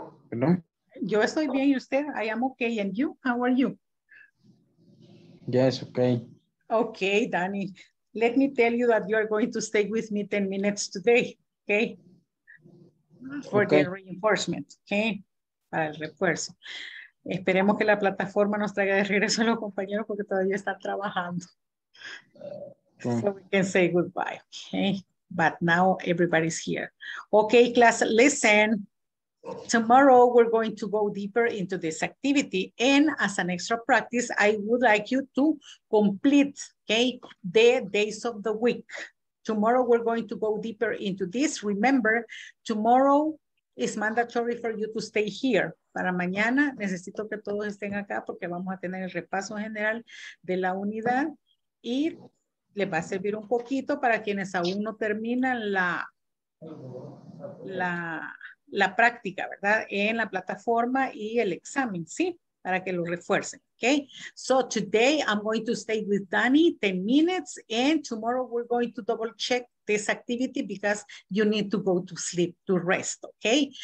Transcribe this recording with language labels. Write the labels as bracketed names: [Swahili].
[English] Hello? [Spanish] Yo estoy bien, y usted? [English] I am okay, and you? How are you? Yes, okay. Okay, Danny, let me tell you that you are going to stay with me 10 minutes today, okay? For okay. The reinforcement, okay? [Spanish] Para el refuerzo. Esperemos que la plataforma nos traiga de regreso a los compañeros porque todavía está trabajando. [English] So we can say goodbye, okay? But now everybody's here. Okay, class, listen. Tomorrow we're going to go deeper into this activity, and as an extra practice, I would like you to complete, okay, the days of the week. Tomorrow we're going to go deeper into this. Remember, tomorrow is mandatory for you to stay here. [Spanish] Para mañana necesito que todos estén acá porque vamos a tener el repaso general de la unidad y les va a servir un poquito para quienes aún no terminan la práctica, ¿verdad? En la plataforma y el examen, ¿sí? Para que lo refuercen, okay? [English] So today I'm going to stay with Danny 10 minutes and tomorrow we're going to double check this activity because you need to go to sleep to rest, okay?